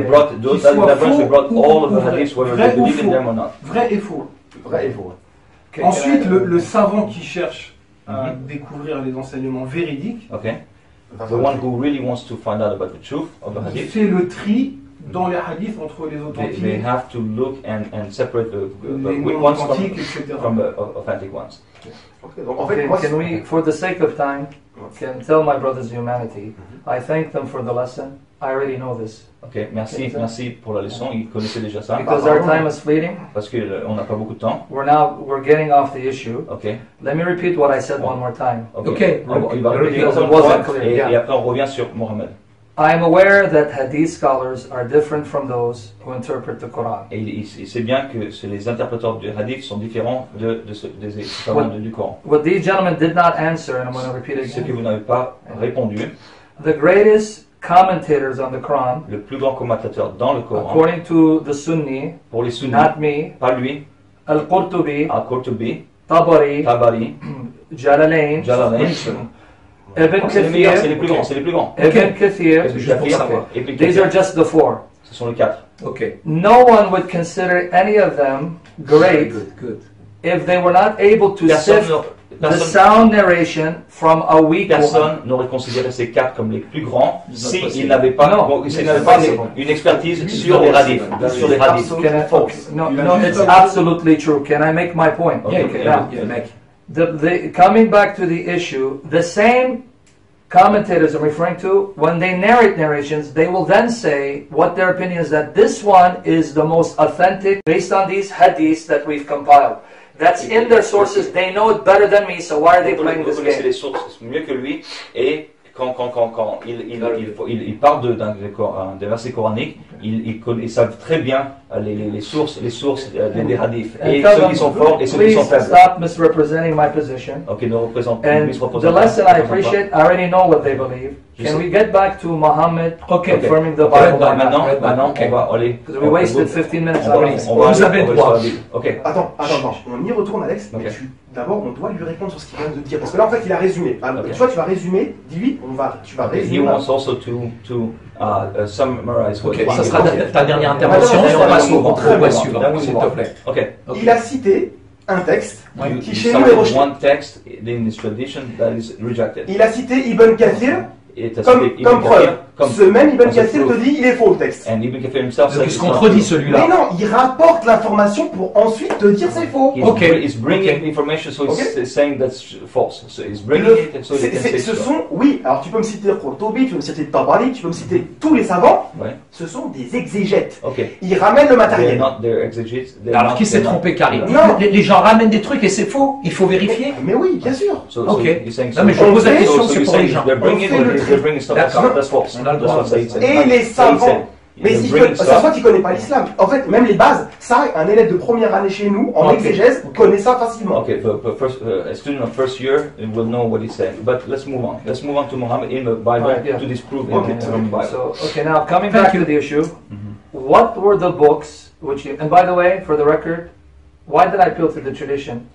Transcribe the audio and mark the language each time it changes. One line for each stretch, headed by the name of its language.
English: They brought those that the branch brought all of the hadiths whether they believe in them or not.
French: Vrai et faux. Vrai et faux.
English: Okay.
French: Ensuite, le savant qui cherche à découvrir les enseignements véridiques.
English: Okay. The one who really wants to find out about the truth of the hadith.
French: Fait le tri dans les hadiths entre les authentiques.
English: They have to look and separate the weak ones from the authentic ones. Can we, for the sake of time, can tell my brothers humanity, I thank them for the lesson. I already know this.
French: Okay, merci pour la leçon. Ils connaissaient déjà ça.
English: Because our time is fleeting.
French: Parce que on n'a pas beaucoup de temps.
English: We're getting off the issue. Okay. Let me repeat what I said one more time. Okay.
French: Because it wasn't clear. Et après on revient sur Mohammed.
English: I am aware that hadith scholars are different from those who interpret the Quran.
French: Et c'est bien que les interpréteurs du hadith sont différents des savants du Coran.
English: What these gentlemen did not answer, and I'm going to repeat it again.
French: Ce que vous n'avez pas répondu.
English: The greatest commentators on the Quran.
French: Le plus grand commentateur dans le Coran.
English: According to the Sunni.
French: Pour les Sunnis.
English: Not me.
French: Pas lui. Al-Qurtubi. Tabari. Jalalain. Ibn Kathir, c'est les plus grands.
English: These are just the four.
French: Ce sont les quatre.
English: Okay. No one would consider any of them great good. If they were not able to sift the sound narration from a weak person.
French: Personne n'aurait considéré ces quatre comme les plus grands si ils n'avaient pas, non, bon, si n'avaient pas une expertise sur les hadiths. Sur les hadiths.
English: No, it's absolutely true. Can I make my point? Okay. The coming back to the issue, the same commentators I'm referring to, when they narrate narrations, they will then say what their opinion is, that this one is the most authentic based on these hadiths that we've compiled. That's in their sources. They know it better than me, so why are they playing this game?
French: Vous connaissez les sources mieux que lui, et quand il parle d'un verset coranique, ils savent très bien les sources des hadiths. Et ceux qui sont forts et ceux qui sont faibles.
English: Please stop misrepresenting my position.
French: Ok, ne représente
English: pas. And the lesson I appreciate, I already know what they believe. Can we get back to Muhammad confirming the Bible?
French: Okay. Maintenant, on va aller.
English: Because we wasted 15 minutes already.
French: Vous avez le droit. Ok. Attends. On y retourne, Alex. Okay. D'abord, on doit lui répondre sur ce qu'il vient de dire. Parce que là, en fait, il a résumé. Alors, toi, tu vas résumer. Dis-lui, tu vas résumer.
English: He wants also to summarize.
French: Ok, ça sera ta dernière intervention. On passe au contrôle suivant, s'il te plaît. Ok. Il a cité un texte qui chez lui est rejeté.
English: One text in his tradition that is rejected.
French: Il a cité Ibn Kathir. Comme preuve. ce même Ibn Kathir te dit il est faux le texte.
English: And Ibn Kathir himself
French: donc il se contredit celui-là. Mais non, il rapporte l'information pour ensuite te dire c'est faux. Ok.
English: He's bringing information, so he's saying that's false. So he's bringing it, and so he can say
French: ce sont, oui, alors tu peux me citer Qurtubi, tu peux me citer Tabari, tu peux me citer tous les savants. Ouais. Ce sont des exégètes. Okay. Ils ramènent le matériel.
English: They're not, they're exégètes. They're
French: alors
English: not,
French: qui s'est trompé, Karim? Non. Les gens ramènent des trucs et c'est faux. Il faut vérifier. Mais oui, bien sûr.
English: So, ok.
French: Non, mais je pose la question, c'est pour les gens.
English: They're bringing it, they're bringing stuff.
French: D'accord.
English: That's false.
French: Et les savants, mais savants qui ne connaissent pas l'islam. En fait, même les bases, ça, un élève de première année chez nous, en exégèse, connaît ça facilement.
English: Ok, un student of first year will know what he's saying. But let's move on. Let's move on to Muhammad in the Bible to disprove it. Okay, now coming back to the issue, what were the books which you, and by the way, for the record, why did I appeal to the tradition?